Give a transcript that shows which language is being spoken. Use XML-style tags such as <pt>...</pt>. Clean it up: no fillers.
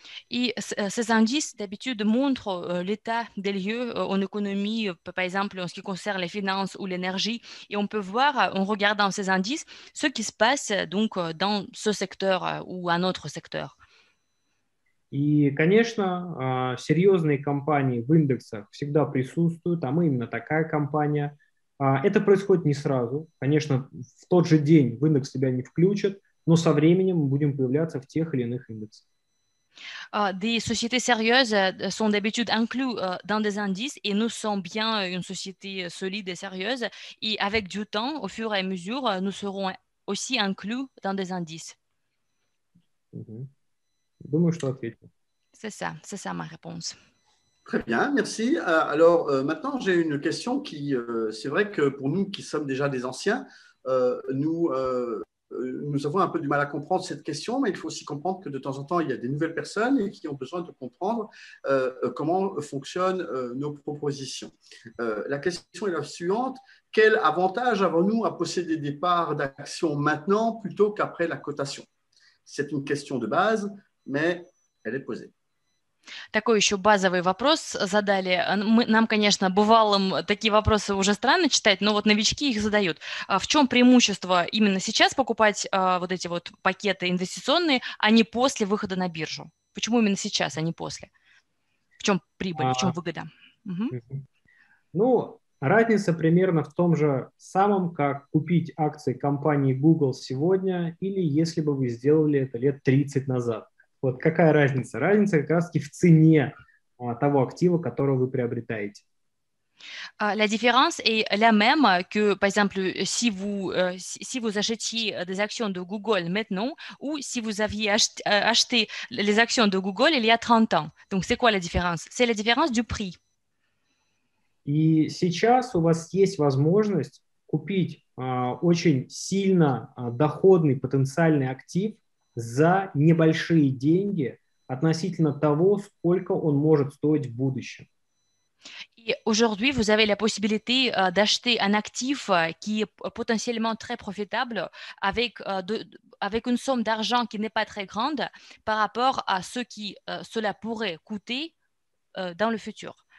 <fr>Et ces indices, d'habitude, montrent l'état des lieux en économie, par exemple en ce qui concerne les finances ou l'énergie. Et on peut voir, en regardant ces indices, ce qui se passe donc dans ce secteur ou un autre secteur.</fr> <ru>И, конечно, серьезные компании в индексах всегда присутствуют, а мы именно такая компания. Это происходит не сразу. Конечно, в тот же день в индекс себя не включат, но со временем мы будем появляться в тех или иных индексах.</ru> <fr>Des sociétés sérieuses sont d'habitude incluses dans des indices et nous sommes bien une société solide et sérieuse. Et avec du temps, au fur et à mesure, nous serons aussi inclus dans des indices. Думаю, что ответил. C'est ça ma réponse. Très bien, merci. Alors maintenant, j'ai une question qui, c'est vrai que pour nous qui sommes déjà des anciens, nous avons un peu du mal à comprendre cette question, mais il faut aussi comprendre que de temps en temps, il y a des nouvelles personnes et qui ont besoin de comprendre comment fonctionnent nos propositions. La question est la suivante. Quel avantage avons-nous à posséder des parts d'actions maintenant plutôt qu'après la cotation? C'est une question de base, mais elle est posée.</fr> <ru>Такой еще базовый вопрос задали. Нам, конечно, бывалым такие вопросы уже странно читать, но вот новички их задают. В чем преимущество именно сейчас покупать вот эти вот пакеты инвестиционные, а не после выхода на биржу? Почему именно сейчас, а не после? В чем прибыль, в чем выгода? Ну, разница примерно в том же самом, как купить акции компании Google сегодня или если бы вы сделали это лет 30 назад. Вот какая разница? Разница как раз-таки в цене того актива, которого вы приобретаете.</ru> <fr>La différence est la même que, par exemple, si vous achetiez des actions de Google maintenant ou si vous aviez acheté les actions de Google il y a 30 ans. Donc, c'est quoi la différence? C'est la différence du prix.</fr> <ru>И сейчас у вас есть возможность купить очень сильно доходный потенциальный актив за небольшие деньги относительно того, сколько он может стоить в будущем.</ru> <fr>Aujourd'hui, vous avez la possibilité d'acheter un actif qui est potentiellement très profitable avec, avec une somme d'argent qui n'est pas très grande par rapport à ce qui cela pourrait coûter dans le futur.</fr>